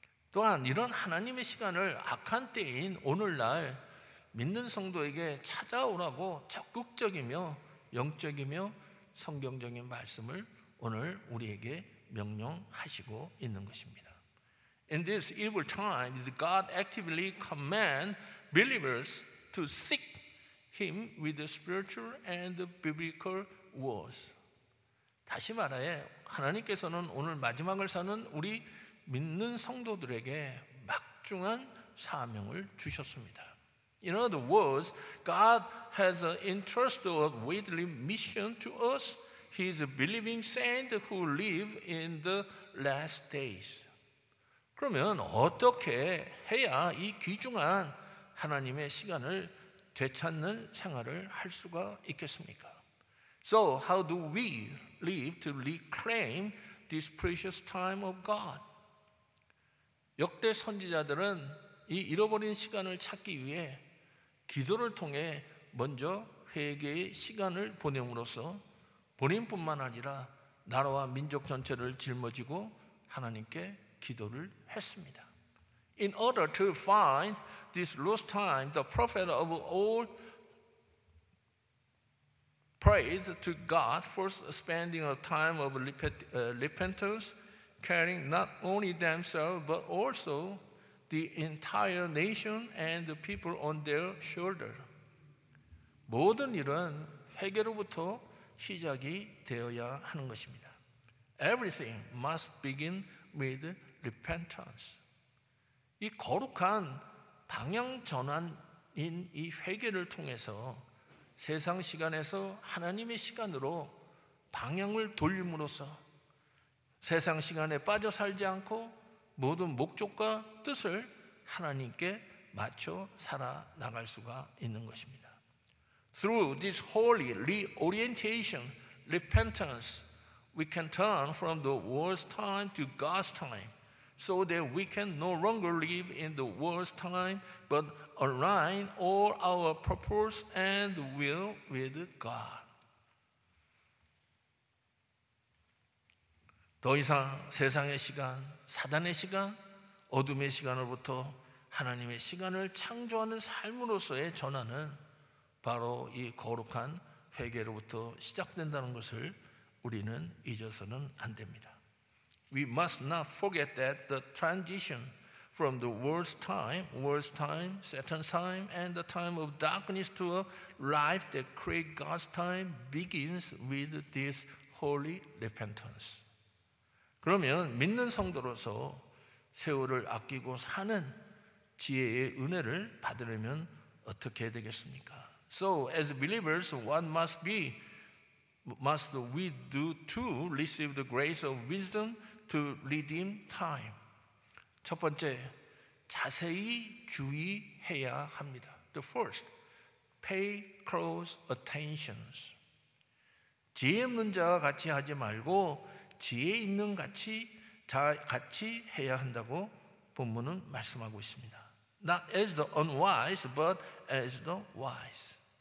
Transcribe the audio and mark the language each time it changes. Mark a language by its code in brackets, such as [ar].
[ko] 또한 이런 하나님의 시간을 악한 때인 오늘날 믿는 성도에게 찾아오라고 적극적이며 영적이며 성경적인 말씀을 오늘 우리에게 명령하시고 있는 것입니다. [en] In this evil time, God actively commands believers to seek Him with the spiritual and the biblical words. [ko] 다시 말하여 하나님께서는 오늘 마지막을 사는 우리 믿는 성도들에게 막중한 사명을 주셨습니다. [en] In other words, God has entrusted a weighty mission to us, His believing saints who live in the last days. [ko] 그러면 어떻게 해야 이 귀중한 하나님의 시간을 되찾는 생활을 할 수가 있겠습니까? [en] So how do we live to reclaim this precious time of God? [ko] 역대 선지자들은 이 잃어버린 시간을 찾기 위해 기도를 통해 먼저 회개의 시간을 보냄으로써 본인뿐만 아니라 나라와 민족 전체를 짊어지고 하나님께 기도를 했습니다. [en] In order to find this lost time, the prophet of old prayed to God, first spending a time of repentance, caring not only themselves but also the entire nation and the people on their shoulder. [ko] 모든 일은 회개로부터 시작이 되어야 하는 것입니다. [en] Everything must begin with repentance. [ko] 이 거룩한 방향 전환인 이 회개를 통해서 세상 시간에서 하나님의 시간으로 방향을 돌림으로써 세상 시간에 빠져 살지 않고 모든 목적과 뜻을 하나님께 맞춰 살아나갈 수가 있는 것입니다. [en] Through this holy reorientation, repentance, we can turn from the world's time to God's time so that we can no longer live in the world's time but align all our purpose and will with God. [ko] 더 이상 세상의 시간, 사단의 시간, 어둠의 시간으로부터 하나님의 시간을 창조하는 삶으로서의 전환은 바로 이 거룩한 회개로부터 시작된다는 것을 우리는 잊어서는 안 됩니다. [en] We must not forget that the transition from the world's time, Satan's time, and the time of darkness to a life that creates God's time begins with this holy repentance. [ko] 그러면 믿는 성도로서 세월을 아끼고 사는 지혜의 은혜를 받으려면 어떻게 되겠습니까? [en] So as believers, what must we do to receive the grace of wisdom to redeem time? [ko] 첫 번째, 자세히 주의해야 합니다. [en] The first, pay close attention. [ko] 지혜 없는 자와 같이 하지 말고 지혜 있는 같이 다 같이 해야 한다고 본문은 말씀하고 있습니다. [en] Not as the unwise, but as the wise.